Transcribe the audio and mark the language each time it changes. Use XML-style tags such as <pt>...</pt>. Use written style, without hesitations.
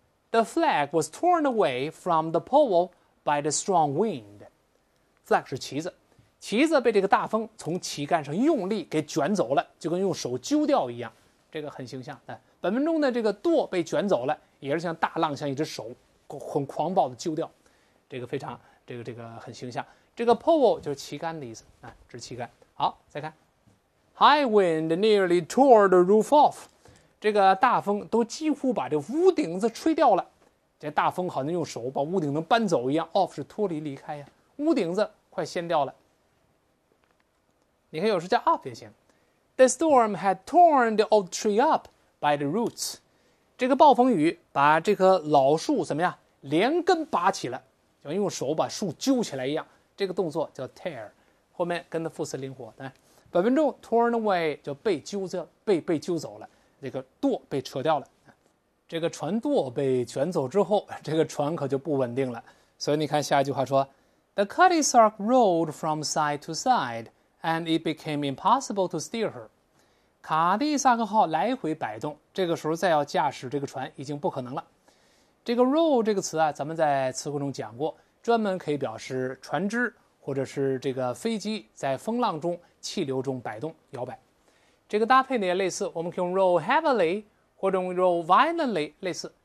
<en>The flag was torn away from the pole by the strong wind.</en> <zh>Flag 是旗子，旗子被这个大风从旗杆上用力给卷走了，就跟用手揪掉一样，这个很形象。本文中的这个舵被卷走了，也是像大浪，像一只手很狂暴的揪掉，这个非常这个很形象。这个 pole 就是旗杆的意思，指旗杆。好，再看</zh> <en>High wind nearly tore the roof off.</en> <zh>这个大风都几乎把这屋顶子吹掉了，这大风好像用手把屋顶能搬走一样。 off 是脱离离开呀，屋顶子快掀掉了。你看有时叫 up 也行。</zh> <en>The storm had torn the old tree up by the roots.</en> <zh>这个暴风雨把这棵老树怎么样连根拔起了，就用手把树揪起来一样，这个动作叫 tear， 后面跟的副词灵活。本文中</zh> <en>torn away</en> <zh>就被揪着被揪走了，这个舵被扯掉了，这个船舵被卷走之后，这个船可就不稳定了。所以你看下一句话说</zh> <en>The cutty sark rolled from side to side and it became impossible to steer her.</en> <zh>卡蒂萨克号来回摆动，这个时候再要驾驶这个船已经不可能了。这个 roll 这个词啊，咱们在词汇中讲过，专门可以表示船只或者是这个飞机在风浪中气流中摆动摇摆。这个搭配呢也类似，我们可以用 roll heavily 或者用 roll violently 类似。</zh>